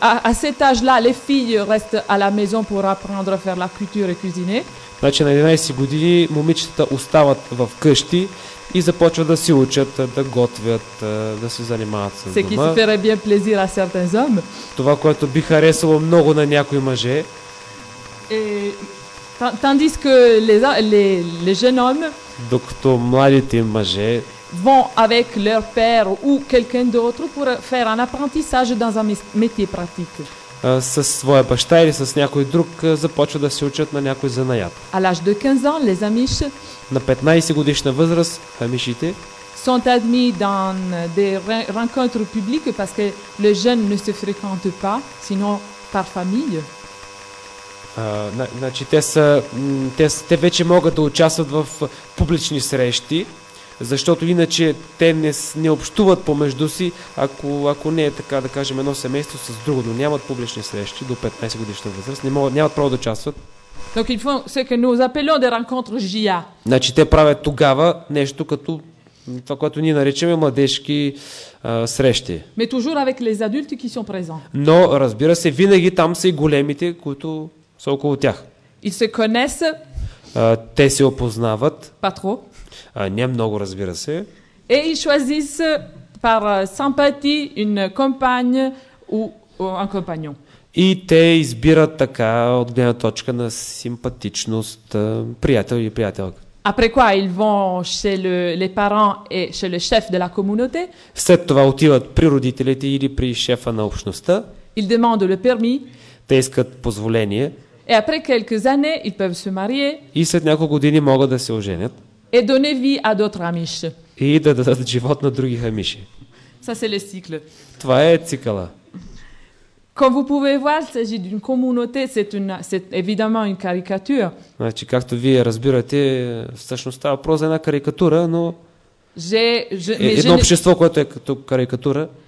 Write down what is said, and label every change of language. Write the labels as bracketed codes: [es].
[fr] À cet âge-là, les filles restent à la maison pour apprendre à faire la culture et cuisiner. [bg] Значи на 11 години момичетата остават в къщи и започват да си учат, да готвят, да се занимават с дома. [fr] Ce qui ferait bien plaisir à certains hommes. [bg] Това, което би харесало много на някои мъже. [fr] Et tandis que les jeunes hommes, [bg] докато младите мъже, [fr] vont avec leur père ou quelqu'un d'autre pour faire un apprentissage dans un métier pratique. [bg] Със своя баща или с някой друг започват да се учат на някой занаят. [fr] À l'âge de 15 ans, les amish, [bg] на 15 годишна възраст, амишите, [fr] sont admis dans des rencontres publiques parce que les jeunes ne se fréquentent pas, sinon par famille. [bg] Значи те са, те вече могат да участват в публични срещи, защото иначе те не общуват помежду си, ако не е така, да кажем, едно семейство с друго, нямат публични срещи до 15 годишна възраст, не могат, нямат право да участват. [fr] Donc ils font ce que nous appelons des rencontres JA. [bg] Значи те правят тогава нещо като това, което ние наричаме младежки срещи. [fr] Mais toujours avec les adultes qui sont présents. [bg] Но разбира се, винаги там са и големите, които са около тях. [fr] Ils se connaissent. [bg] Те се опознават. [fr] Pas trop. [bg] Не много, разбира се. [fr] Et ils choisissent par sympathie une compagne ou un compagnon. [bg] И те избират така от гледна точка на симпатичност приятел и приятелка. [fr] Après quoi ils vont chez les parents et chez le chef de la communauté? [bg] След това отиват при родителите или при шефа на общността. [fr] Ils demandent le permis. [bg] Те искат позволение. [fr] Et après quelques années, ils peuvent se marier. [bg] И след няколко години могат да се оженят. [fr] Et donner vie à d'autres amis. [bg] И да дадат живот на други амиши. [fr] Ça c'est le cycle. [bg] Това е цикъла. [fr] Comme vous pouvez voir, il s'agit d'une communauté, c'est évidemment une caricature. [bg] Значи, както вие разбирате, всъщност става просто една карикатура, но едно общество, което е като карикатура.